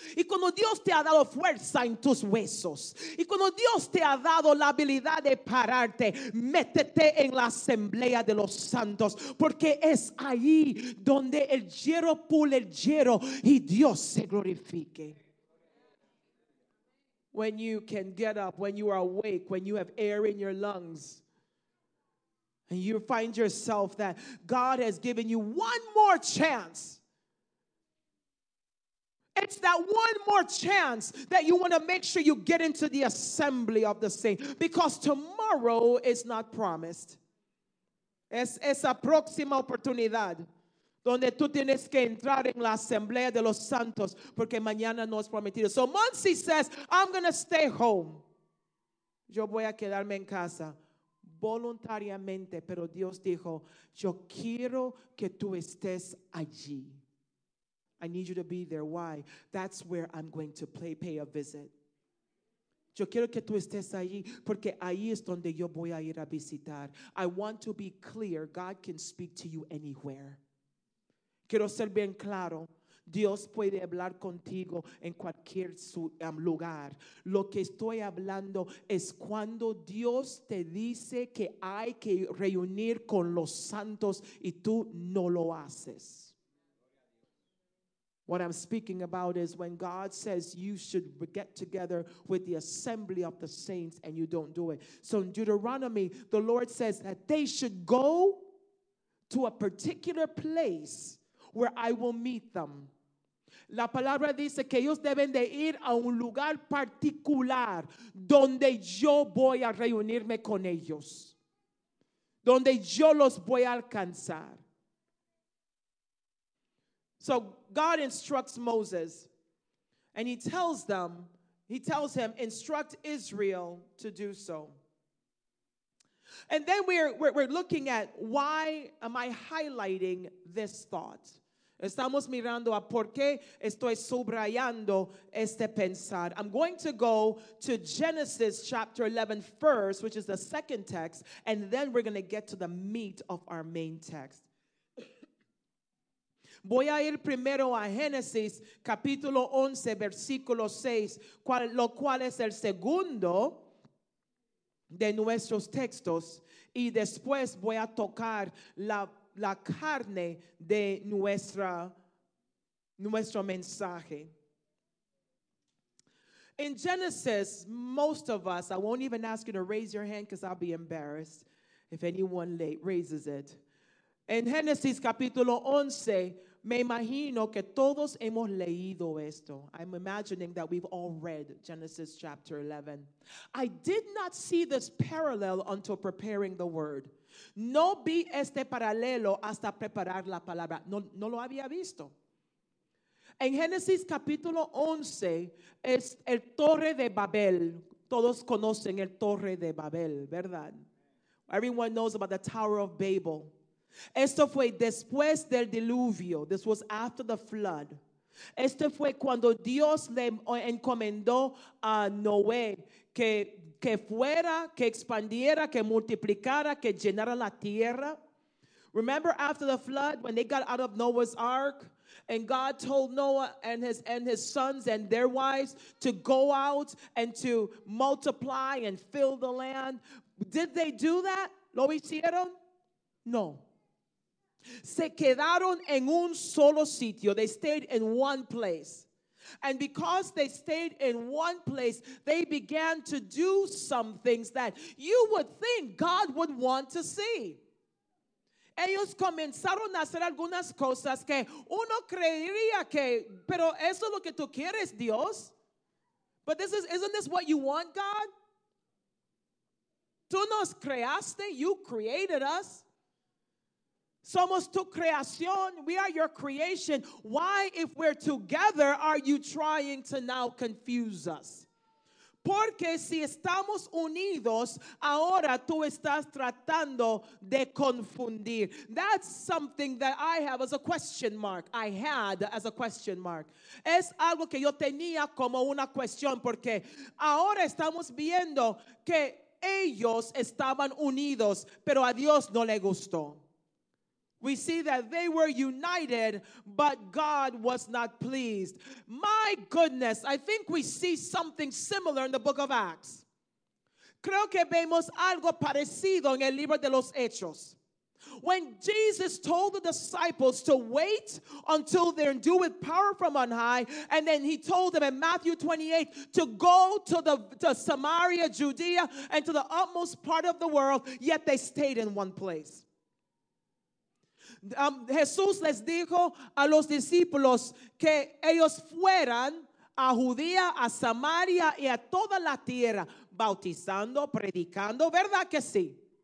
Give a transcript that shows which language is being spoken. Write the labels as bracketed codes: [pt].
[es] Y cuando Dios te ha dado fuerza en tus huesos, y cuando Dios te ha dado la habilidad de pararte, métete en la asamblea de los santos, porque es ahí donde el hierro pule el hierro y Dios se glorifique. [en] When you can get up, when you are awake, when you have air in your lungs, and you find yourself that God has given you one more chance. It's that one more chance that you want to make sure you get into the assembly of the saints. Because tomorrow is not promised. [es] Es esa próxima oportunidad donde tú tienes que entrar en la asamblea de los santos porque mañana no es prometido. [en] So Monsi says, I'm going to stay home. [es] Yo voy a quedarme en casa. Voluntariamente, pero Dios dijo, yo quiero que tú estés allí. [en] I need you to be there. Why? That's where I'm going to pay a visit. [es] Yo quiero que tú estés allí porque ahí es donde yo voy a ir a visitar. [en] I want to be clear. God can speak to you anywhere. [es] Quiero ser bien claro. Dios puede hablar contigo en cualquier lugar. Lo que estoy hablando es cuando Dios te dice que hay que reunir con los santos y tú no lo haces. [en] What I'm speaking about is when God says you should get together with the assembly of the saints and you don't do it. So in Deuteronomy, the Lord says that they should go to a particular place where I will meet them. [es] La palabra dice que ellos deben de ir a un lugar particular donde yo voy a reunirme con ellos, donde yo los voy a alcanzar. [en] So God instructs Moses and he tells him, instruct Israel to do so. And then we're looking at why am I highlighting this thought? [es] Estamos mirando a por qué estoy subrayando este pensar. [en] I'm going to go to Genesis chapter 11 first, which is the second text, and then we're going to get to the meat of our main text. [es] Voy a ir primero a Génesis capítulo 11, versículo 6, lo cual es el segundo de nuestros textos, y después voy a tocar la carne de nuestro mensaje. [en] In Genesis, most of us, I won't even ask you to raise your hand because I'll be embarrassed if anyone raises it. [es] In Genesis capítulo 11, me imagino que todos hemos leído esto. [en] I'm imagining that we've all read Genesis chapter 11. I did not see this parallel until preparing the word. [es] No vi este paralelo hasta preparar la palabra. No lo había visto. En Génesis capítulo 11 es el Torre de Babel. Todos conocen el Torre de Babel, ¿verdad? [en] Everyone knows about the Tower of Babel. [es] Esto fue después del diluvio. [en] This was after the flood. [es] Esto fue cuando Dios le encomendó a Noé que fuera, que expandiera, que multiplicara, que llenara la tierra. [en] Remember after the flood when they got out of Noah's ark and God told Noah and his sons and their wives to go out and to multiply and fill the land. Did they do that? [es] ¿Lo hicieron? [en] No. [es] Se quedaron en un solo sitio. [en] They stayed in one place. And because they stayed in one place, they began to do some things that you would think God would want to see. [es] Ellos comenzaron a hacer algunas cosas que uno creería que, pero eso es lo que tú quieres, Dios. [en] But isn't this what you want, God? [es] Tú nos creaste, [en] you created us. [es] Somos tu creación. [en] We are your creation. Why, if we're together, are you trying to now confuse us? [es] Porque si estamos unidos, ahora tú estás tratando de confundir. [en] That's something that I have as a question mark. I had as a question mark. [es] Es algo que yo tenía como una cuestión porque ahora estamos viendo que ellos estaban unidos, pero a Dios no le gustó. [en] We see that they were united, but God was not pleased. My goodness, I think we see something similar in the book of Acts. [es] Creo que vemos algo parecido en el libro de los Hechos. [en] When Jesus told the disciples to wait until they're endued with power from on high, and then he told them in Matthew 28 to go to Samaria, Judea, and to the utmost part of the world, yet they stayed in one place. [es] Jesús les dijo a los discípulos que ellos fueran a Judea, a Samaria y a toda la tierra, bautizando, predicando, ¿verdad que sí?